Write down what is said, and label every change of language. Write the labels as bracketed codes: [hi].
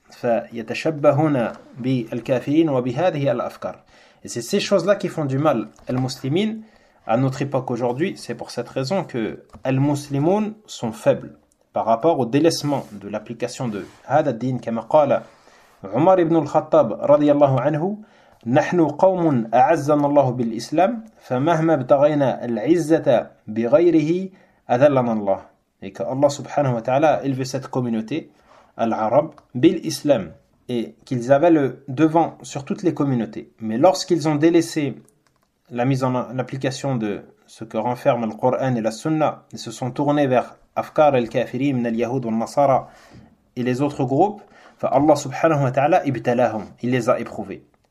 [ar] Fa yatashabbahuna bi al-kafirin wa bi hadhihi al-afkar. [fr] Et c'est ces choses-là qui font du mal al-muslimin à notre époque aujourd'hui. C'est pour cette raison que al-muslimun sont faibles par rapport au délaissement de l'application de [ar] hada din kama qala عمر بن الخطاب رضي الله عنه: نحن قوم أعزنا الله بالإسلام، فمهما ابتغينا العزة بغيره أذلنا الله. [fr] Et que Allah subhanahu wa ta'ala a élevé cette communauté, l'arabe, bil islam, et qu'ils avaient le devant sur toutes les communautés. Mais lorsqu'ils ont délaissé la mise en application de ce que renferment le Coran et la Sunna, ils se sont tournés vers [ar] Afkar al-Kafirim, al-Yahoud al-Nasara [fr] et les autres groupes, [ar] Allah subhanahu wa ta'ala ibtalahum, [fr] il les a éprouvés.